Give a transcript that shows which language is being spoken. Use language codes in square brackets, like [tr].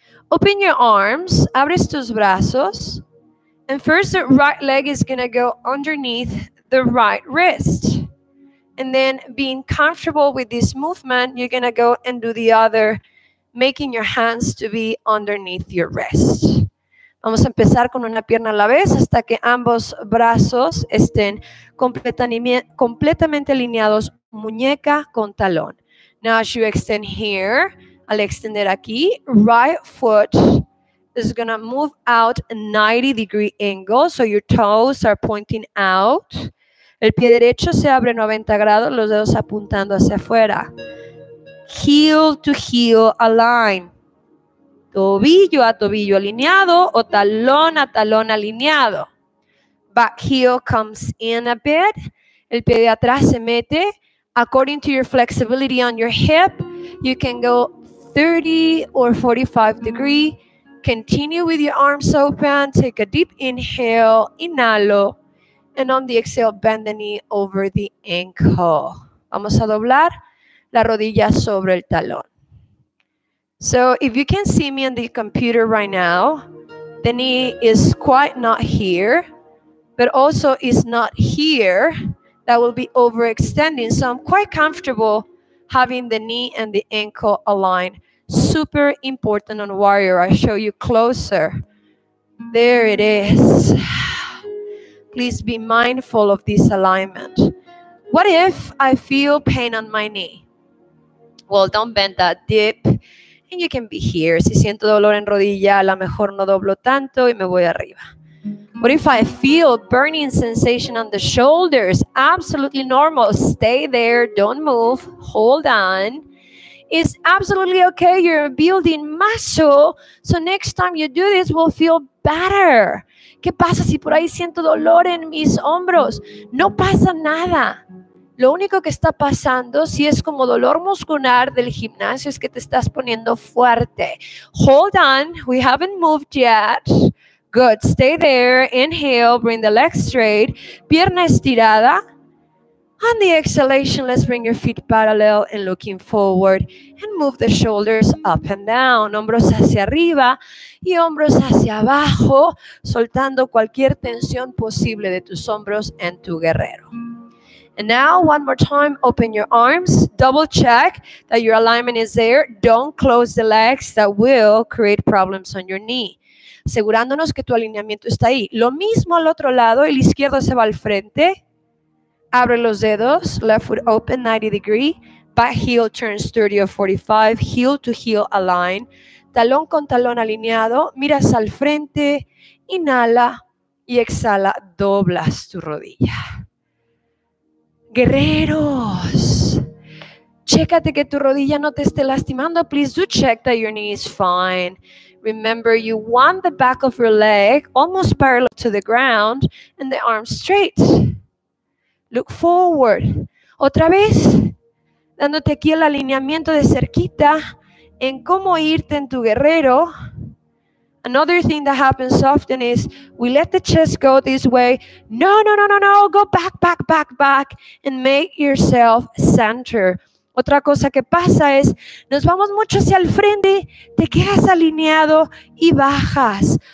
[en] Open your arms, [es] abres tus brazos, [en] and first the right leg is going to go underneath the right wrist. And then being comfortable with this movement, you're going to go and do the other, making your hands to be underneath your wrist. [es] Vamos a empezar con una pierna a la vez hasta que ambos brazos estén completamente alineados, muñeca con talón. [en] Now as you extend here, [es] al extender aquí, [en] right foot is going to move out a 90 degree angle, so your toes are pointing out. [es] El pie derecho se abre 90 grados, los dedos apuntando hacia afuera. [en] Heel to heel align. [es] Tobillo a tobillo alineado o talón a talón alineado. [en] Back heel comes in a bit. [es] El pie de atrás se mete. [en] According to your flexibility on your hip, you can go 30 or 45 degree. Continue with your arms open. Take a deep inhale. [es] Inhalo. [en] And on the exhale, bend the knee over the ankle. [es] Vamos a doblar la rodilla sobre el talón. [en] So if you can see me on the computer right now, the knee is quite not here, but also is not here. That will be overextending. So I'm quite comfortable having the knee and the ankle aligned. Super important on warrior. I show you closer. There it is. Please be mindful of this alignment. What if I feel pain on my knee? Well, don't bend that deep. And you can be here. [es] Si siento dolor en rodilla, a lo mejor no doblo tanto y me voy arriba. [en] What if I feel burning sensation on the shoulders? Absolutely normal. Stay there. Don't move. Hold on. It's absolutely okay. You're building muscle. So next time you do this, we'll feel better. [es] ¿Qué pasa si por ahí siento dolor en mis hombros? No pasa nada. Lo único que está pasando, si es como dolor muscular del gimnasio, es que te estás poniendo fuerte. [en] Hold on. We haven't moved yet. Good. Stay there. Inhale. Bring the legs straight. [es] Pierna estirada. [en] On the exhalation, let's bring your feet parallel and looking forward. And move the shoulders up and down. Hombros hacia arriba y hombros hacia abajo, soltando cualquier tensión posible de tus hombros en tu guerrero. And now, one more time, open your arms. Double check that your alignment is there. Don't close the legs. That will create problems on your knee. [es] Asegurándonos que tu alineamiento está ahí. Lo mismo al otro lado. El izquierdo se va al frente. Abre los dedos. [en] Left foot open 90 degree. Back heel turns 30 or 45. Heel to heel align. [es] Talón con talón alineado. Miras al frente. Inhala y exhala. Doblas tu rodilla. Guerreros, chécate que tu rodilla no te esté lastimando. [en] Please do check that your knee is fine. Remember, you want the back of your leg almost parallel to the ground and the arms straight. Look forward. [es] Otra vez, dándote aquí el alineamiento de cerquita en cómo irte en tu guerrero. [en] Another thing that happens often is we let the chest go this way. No, no, no, no, no. Go back, back, back, back and make yourself center. [es] Otra cosa que pasa es nos vamos mucho hacia el frente, te quedas alineado y bajas.